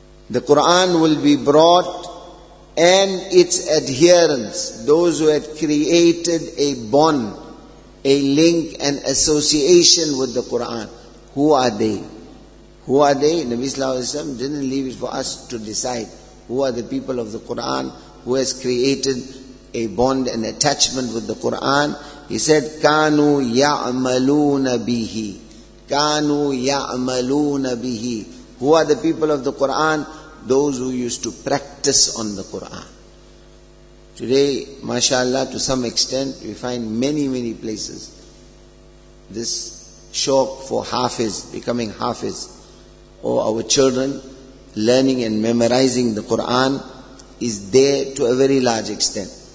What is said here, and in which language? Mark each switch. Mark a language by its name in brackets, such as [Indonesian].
[English] The Qur'an will be brought and its adherents, those who had created a bond, a link, an association with the Qur'an. Who are they? Who are they? Nabi Sallallahu Alaihi Wasallam didn't leave it for us to decide. Who are the people of the Qur'an who has created a bond, an attachment with the Qur'an? [Arabic] He said, كَانُوا يَعْمَلُونَ بِهِ. كَانُوا يَعْمَلُونَ بِهِ. [English] Who are the people of the Qur'an? Those who used to practice on the Qur'an. Today, mashallah, to some extent, we find many, many places this shock for hafiz, becoming hafiz, or our children learning and memorizing the Qur'an is there to a very large extent.